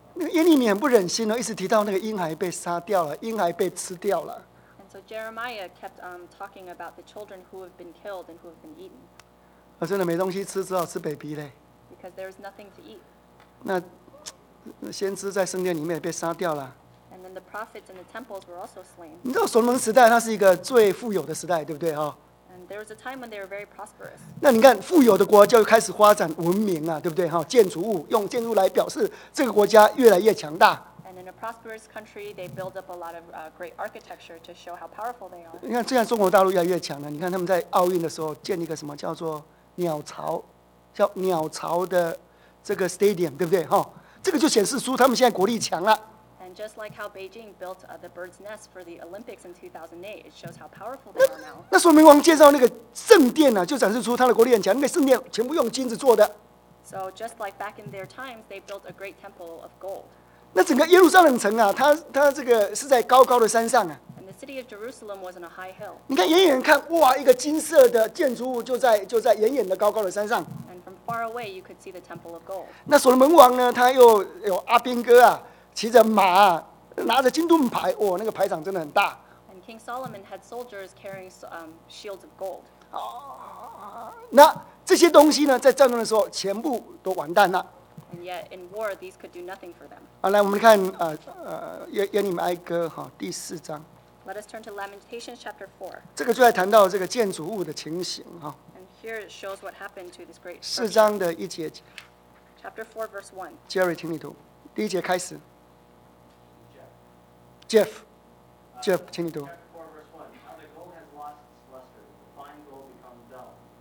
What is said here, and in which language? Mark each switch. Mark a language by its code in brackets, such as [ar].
[zh] 耶利米很不忍心哦, 一直提到那个婴孩被杀掉了, 婴孩被吃掉了。 [en] And so Jeremiah kept talking about the children who have been killed and who have been eaten. [zh] 啊, 真的没东西吃, 只好吃baby嘞。 [en] Because there is nothing to eat. [zh] 那, 先知在圣殿里面被杀掉了。 [en] And then the prophets in the temples were also slain. [zh] 你知道所罗门时代它是一个最富有的时代, 对不对? [en] And there was a time when they were very prosperous. [zh] 那你看, 富有的国家就开始发展文明啊, 对不对?建筑物, 用建筑来表示这个国家越来越强大。 [en] And in a prosperous country, they build up a lot of great architecture to show how powerful they are. [zh] 你看, 这样中国大陆越来越强了, 你看他们在奥运的时候, 建立一个什么叫做鸟巢, 叫鸟巢的这个stadium, 对不对? 这个就显示出他们现在国力强了。 [en] And just like how Beijing built the bird's nest for the Olympics in 2008, it shows how powerful they are now. [zh] 那说明王建造那个圣殿啊, 就展示出他的国力很强, 那个圣殿全部用金子做的。 [en] So just like back in their times, they built a great temple of gold. [zh] 那整个耶路撒冷城啊, 它这个是在高高的山上啊。 [en] And the city of Jerusalem was on a high hill. [zh] 你看远远看, 哇, 一个金色的建筑物就在远远的高高的山上。 [en] And from far away, you could see the temple of gold. [zh] 那所罗门王呢, 他又有阿兵哥啊, 骑着马, 拿着金盾牌, 哦, 那个牌场真的很大。 [en] And King Solomon had soldiers carrying shields of gold. [zh] 哦, 那这些东西呢, 在战争的时候, 全部都完蛋了。 [en] And yet, in war, these could do nothing for them. [zh] 啊, 来, 我们看, 耶利米哀歌, 哦, 第四章。 [en] Let us turn to Lamentations chapter 4. [zh] 这个就在谈到这个建筑物的情形, 哦。 [en] And here it shows what happened to this great [zh] structure. 四章的一节, [en] chapter 4, verse 1. [zh] Jerry, 请你读。第一节开始。 Jeff, Jeff, 请你读。 [en] Chapter 4, verse 1. How the gold has lost its luster, the fine gold becomes dull.